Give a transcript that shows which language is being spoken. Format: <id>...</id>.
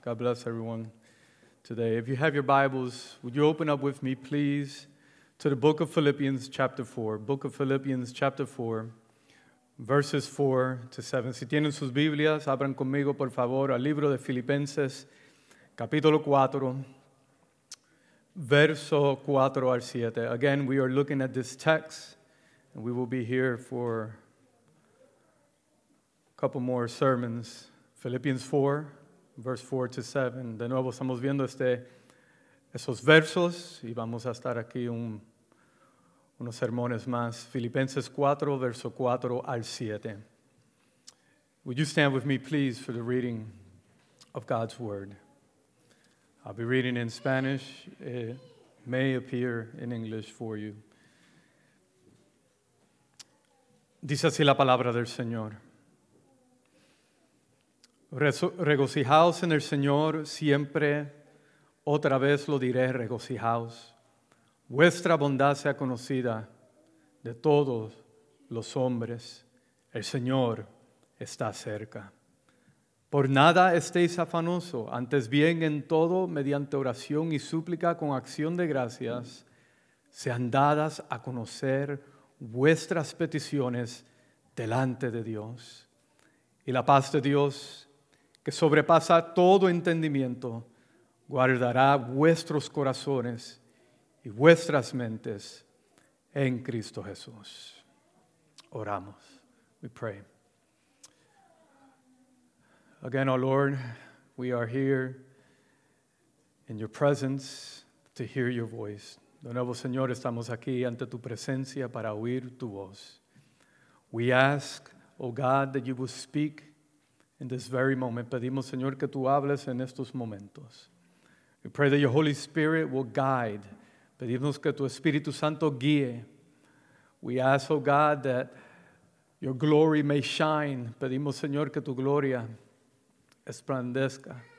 <en>God bless everyone today. If you have your Bibles, would you open up with me, please, to the book of Philippians, chapter 4. Book of Philippians, chapter 4, verses 4 to 7.</en> <es>Si tienen sus Biblias, abran conmigo, por favor, al libro de Filipenses, capítulo 4, verso 4 al 7.</es> <en>Again, we are looking at this text, and we will be here for a couple more sermons. Philippians 4, verse 4 to 7.</en> <es>De nuevo, estamos viendo esos versos y vamos a estar aquí unos sermones más. Filipenses 4, verso 4 al 7.</es> <en>Would you stand with me, please, for the reading of God's Word? I'll be reading in Spanish. It may appear in English for you.</en> <es>Dice así la palabra del Señor. Regocijaos en el Señor siempre, otra vez lo diré, regocijaos. Vuestra bondad sea conocida de todos los hombres. El Señor está cerca. Por nada estéis afanoso, antes bien en todo, mediante oración y súplica con acción de gracias, sean dadas a conocer vuestras peticiones delante de Dios. Y la paz de Dios, que sobrepasa todo entendimiento, guardará vuestros corazones y vuestras mentes en Cristo Jesús. Oramos.</es> <en>We pray. Again, oh Lord, we are here in your presence to hear your voice.</en> <es>De nuevo, Señor, estamos aquí ante tu presencia para oír tu voz.</es> <en>We ask, oh God, that you will speak in this very moment.</en> <es>Pedimos, Señor, que tú hables en estos momentos.</es> <en>We pray that your Holy Spirit will guide.</en> <es>Pedimos que tu Espíritu Santo guíe.</es> <en>We ask, oh God, that your glory may shine.</en> <es>Pedimos, Señor, que tu gloria resplandezca.</es>